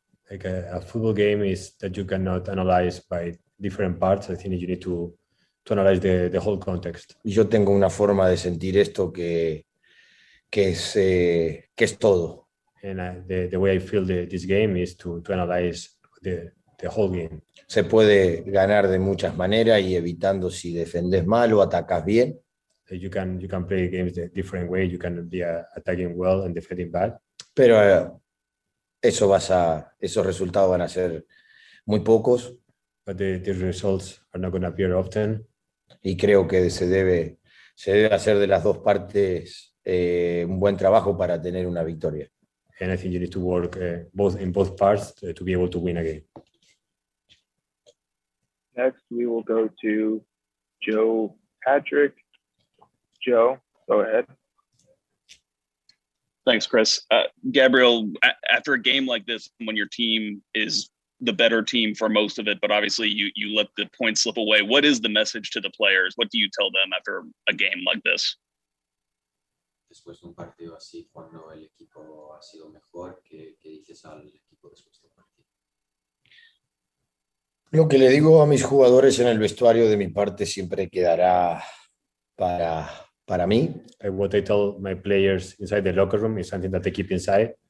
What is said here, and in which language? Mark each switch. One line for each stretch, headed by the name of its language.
English: Like a football game is that you cannot analyze by different parts. I think you need to analyze the whole context.
Spanish: Yo tengo una forma de sentir esto que es todo.
English: And the way I feel this game is to analyze the whole game.
Spanish: Se puede ganar de muchas maneras y evitando si defendes mal o atacas bien.
English: You can play games the different way. You can be attacking well and defending bad.
Spanish: Pero esos resultados van a ser muy pocos.
English: But the results are not going to appear often.
Spanish: Y creo que se debe hacer de las dos partes un buen trabajo para tener una victoria.
English: And I think you need to work in both parts to be able to win a game. Next, we will go to Joe Patrick. Joe, go ahead. Thanks, Chris. Gabriel, after a game like this, when your team is the better team for most of it, but obviously you let the points slip away, what is the message to the players? What do you tell them after a game like this?
Spanish: Después de un partido así, cuando el equipo ha sido mejor, ¿qué dices al equipo después del partido? Lo que le digo a mis jugadores en el vestuario de mi parte siempre quedará para mí.
English: What I tell my players inside the locker room is something that they keep inside.